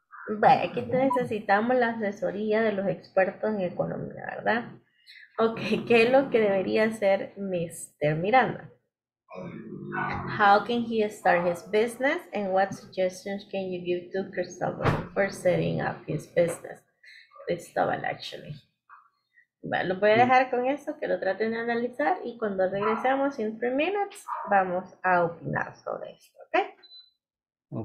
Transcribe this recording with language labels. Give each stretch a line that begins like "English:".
Spanish: Bueno, aquí necesitamos la asesoría de los expertos en economía, ¿verdad? Ok, ¿qué es lo que debería hacer Mr. Miranda?
English: How can he start his business and what suggestions can you give to Cristobal for setting up his business? Cristobal, actually.
Spanish: Bueno, lo voy a dejar con eso, que lo traten de analizar y cuando regresemos en
English: 3 minutes
Spanish: vamos a opinar sobre esto, ¿ok?